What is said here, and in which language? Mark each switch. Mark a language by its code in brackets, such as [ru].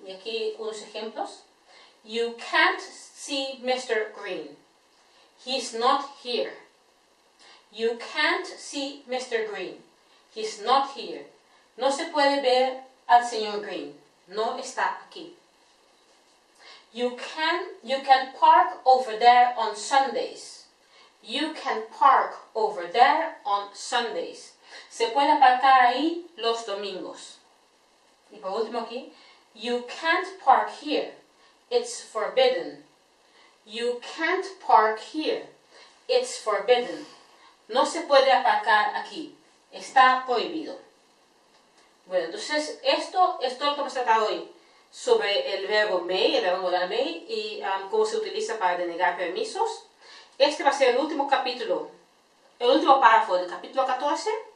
[es] Y aquí unos ejemplos. [en] You can't see Mr. Green. He's not here. You can't see Mr. Green. He's not here. [es] No se puede ver al señor Green. No está aquí. [en] You can park over there on Sundays. You can park over there on Sundays. [es] Se puede aparcar ahí los domingos. Y por último aquí, [en] you can't park here, it's forbidden. You can't park here, it's forbidden. [es] No se puede aparcar aquí, está prohibido. Bueno, entonces esto es todo lo que hemos tratado hoy sobre el verbo may, el verbo modal may, y cómo se utiliza para denegar permisos. Este va a ser el último capítulo, el último párrafo del capítulo 14.